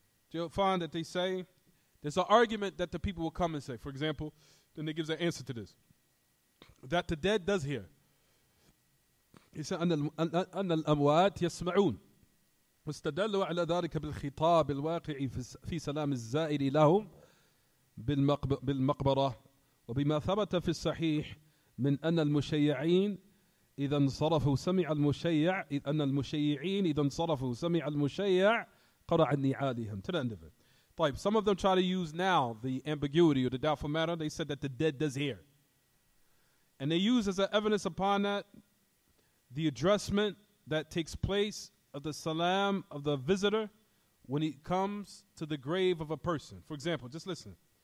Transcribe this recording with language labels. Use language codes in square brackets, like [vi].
[en] You'll find that they say, there's an argument that the people will come and say, for example, then they give an answer to this, that the dead does hear. He said, [ar] أَنَّ الْأَمْوَاتِ يَسْمَعُونَ. واستدلوا على ذلك بالخطاب الواقع في سلام الزائر لهم بالمقبرة وبما ثبت في الصحيح من أن المشيعين إذا انصرفوا سمع المشيع أن المشيعين إذا انصرفوا سمع المشيع قرع نعالهم. [en] To the end of it. طيب, some of them try to use now the ambiguity or the doubtful matter. They said that the dead does hear. And they use as an evidence upon that the addressment that takes place of the salam of the visitor when he comes to the grave of a person. For example, just listen.